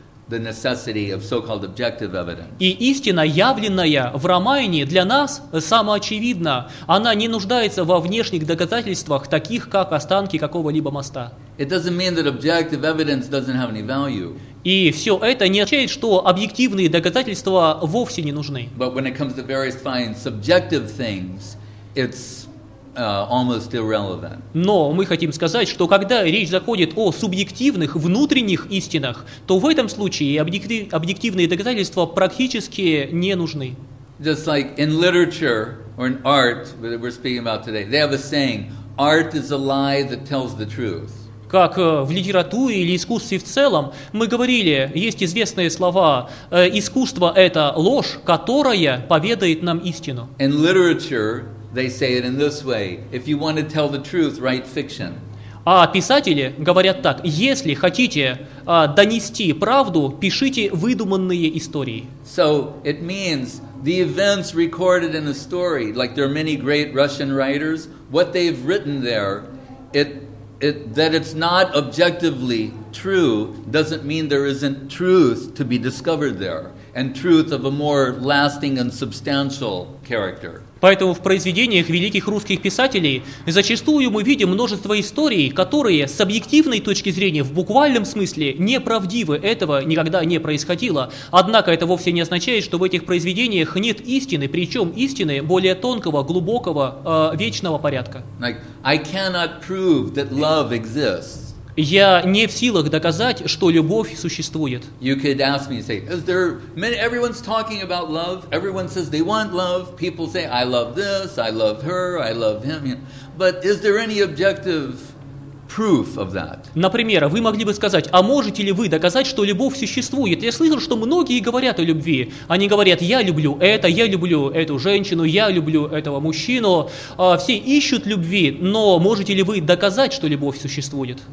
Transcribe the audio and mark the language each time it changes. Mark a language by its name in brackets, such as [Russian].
[English] The necessity of so-called objective evidence. [Russian] И истина, явленная в Рамаяне, для нас самоочевидна. Она не нуждается во внешних доказательствах, таких как останки какого-либо моста. [English] It doesn't mean that objective evidence doesn't have any value. [Russian] И все это не означает, что объективные доказательства вовсе не нужны. [English] But when it comes to verifying subjective things, it's almost irrelevant. [Russian] Но мы хотим сказать, что когда речь заходит о субъективных внутренних истинах, то в этом случае объективные доказательства практически не нужны. [English] just like in literature or in art that we're speaking about today, they have a saying, art is a lie that tells the truth. [Russian] Как в литературе или искусстве в целом, мы говорили, есть известные слова, искусство – это ложь, которая поведает нам истину. [English] In literature, they say it in this way, if you want to tell the truth, write fiction. [Russian] А писатели говорят так, если хотите донести правду, пишите выдуманные истории. [English] So it means the events recorded in a story, like there are many great Russian writers, what they've written there, that it's not objectively true doesn't mean there isn't truth to be discovered there, and truth of a more lasting and substantial character. [Russian] Поэтому в произведениях великих русских писателей зачастую мы видим множество историй, которые с объективной точки зрения, в буквальном смысле, неправдивы, этого никогда не происходило. Однако это вовсе не означает, что в этих произведениях нет истины, причем истины более тонкого, глубокого, вечного порядка. [English] I cannot prove that love exists. [Russian] Я не в силах доказать, что любовь существует. [English] You could ask me, say, is there many, everyone's talking about love, everyone says they want love, people say, I love this, I love her, I love him, but is there any objective proof of that? [Russian] Например, вы могли бы сказать, а можете ли вы доказать, что любовь существует? Я слышал, что многие говорят о любви. Они говорят, я люблю это, я люблю эту женщину, я люблю этого мужчину. Все ищут любви, но можете ли вы доказать, что любовь существует?